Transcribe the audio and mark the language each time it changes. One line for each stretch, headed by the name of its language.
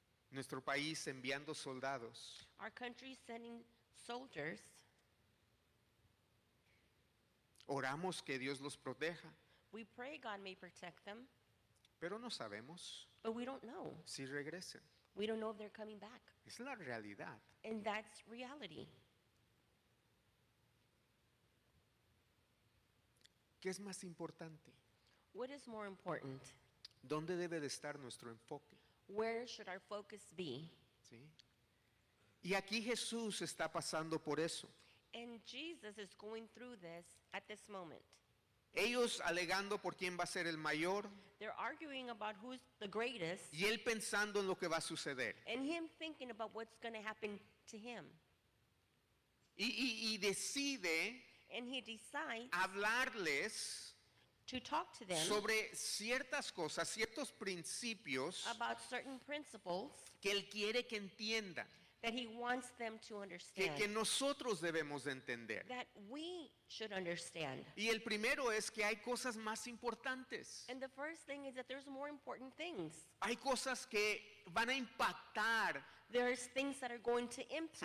Spanish: Nuestro país enviando soldados.
English: Our country sending soldiers.
Spanish: Oramos que Dios los proteja.
English: We pray God may protect them.
Spanish: Pero no sabemos.
English: But we don't know.
Spanish: Si regresen.
English: We don't know if they're coming back.
Spanish: Es la realidad.
English: And that's reality.
Spanish: ¿Qué es más importante?
English: What is more important?
Spanish: ¿Dónde debe de estar nuestro enfoque?
English: Where should our focus be?
Spanish: ¿Sí? Y aquí Jesús está pasando por eso.
English: And Jesus is going through this at this moment.
Spanish: Ellos alegando por quién va a ser el mayor.
English: They're arguing about who's the greatest.
Spanish: Y él pensando en lo que va a suceder.
English: And him thinking about what's going to happen to him.
Spanish: Y decide.
English: And he decides.
Spanish: Hablarles.
English: To talk to them
Spanish: sobre ciertas cosas, ciertos principios,
English: about certain principles
Spanish: que él quiere que entiendan,
English: that he wants them to understand,
Spanish: que nosotros debemos de entender,
English: that we should understand.
Spanish: Y el primero es que hay cosas más importantes.
English: And the first thing is that there's more important things.
Spanish: Hay cosas que van a impactar.
English: There's things that are going to impact,